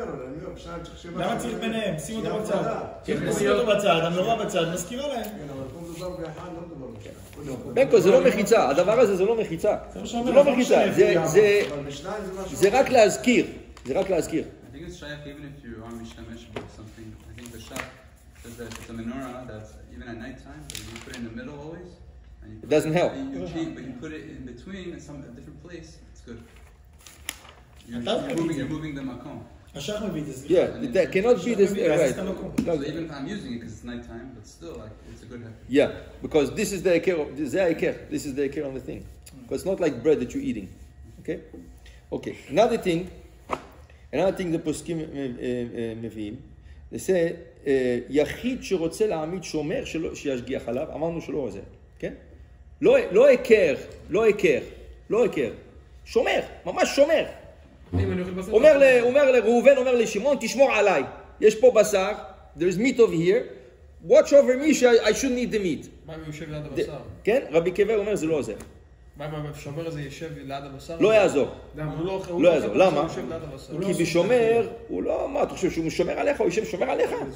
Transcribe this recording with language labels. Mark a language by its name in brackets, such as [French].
[Hebrew] לא, אני אומר, אני אפשר להמשיך שבע. למה צריך ביניהם? שים אותו בצד. שים אותו בצד, המנורה בצד, מזכירה להם. כן, אבל פה מדובר באחד, לא מדובר בשניים. בנקו, זה לא מחיצה, הדבר הזה זה לא מחיצה. זה לא מחיצה, זה... אבל בשניים זה משהו. זה רק להזכיר, זה רק להזכיר. [English] I think it's shayach, even if you are משתמש with something. I think the shayach, because it's a menorah that's even at night time, but you put it in the middle always. It doesn't help. You change, but you put it in between at some different place, it's good. You're moving the makom. Yeah, that cannot be this. So even if I'm using it because it's night time, but still, like, it's a good habit. Yeah, because this is the iker. This is the iker on the thing. Because it's not like bread that you're eating. Okay? Okay. Another thing [Hebrew] the poskim mevim, [English] they say, [Hebrew] yachid shirotze la'amid shomer shiyashgiach alav, amarnu shelo ozer. Okay? Lo iker. Shomer. Mamash shomer. אומר לראובן, אומר לשמעון, תשמור עליי. יש פה בשר, [English] there is meat over here. Watch over me, I shouldn't need the meat. [Hebrew] מה אם יושב ליד הבשר? כן, רבי קיבר אומר, זה לא עוזר. מה אם שומר הזה יושב ליד הבשר? לא יעזור. לא יעזור, למה? כי בשומר, הוא לא, מה, אתה חושב שהוא שומר עליך? הוא יושב שומר עליך?